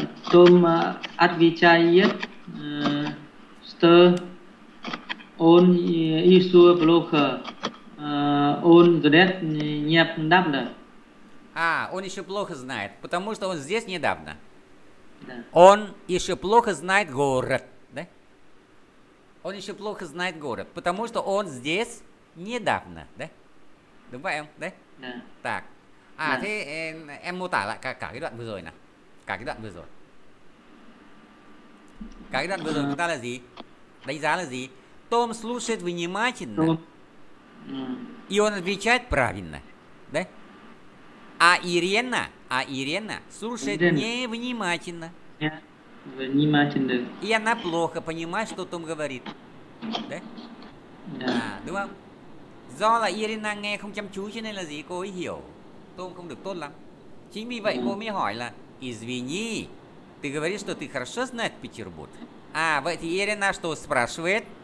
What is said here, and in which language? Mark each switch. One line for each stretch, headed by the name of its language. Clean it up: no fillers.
Russian: Том отвечает, что он ищу плохо, он здесь недавно. А, он еще плохо знает, потому что он здесь недавно. Да. Он еще плохо знает город, да? Он еще плохо знает город, потому что он здесь недавно, да? Думаем, да? Да. Так. А, да.
Vietnamese: Thế em mô tả lại cả cái đoạn vừa rồi nè. Cả cái đoạn vừa rồi. Cả cái đoạn vừa rồi chúng ta là gì? Đánh giá là gì?
Russian: Tom слушает внимательно. И он отвечает правильно.
Vietnamese: Đấy.
Russian: А Ирена слушает невнимательно. Внимательно. И она плохо понимает, что Том говорит.
Vietnamese: Đấy. Yeah. À, đúng không? Do là Ирена nghe không chăm chú cho nên là gì? Cô ấy hiểu Том không được tốt lắm. Chính vì vậy cô mới hỏi là
Russian: извини, ты говоришь, что ты хорошо знаешь Петербург.
Vietnamese: А, vậy thì Ирена
Russian: что спрашивает?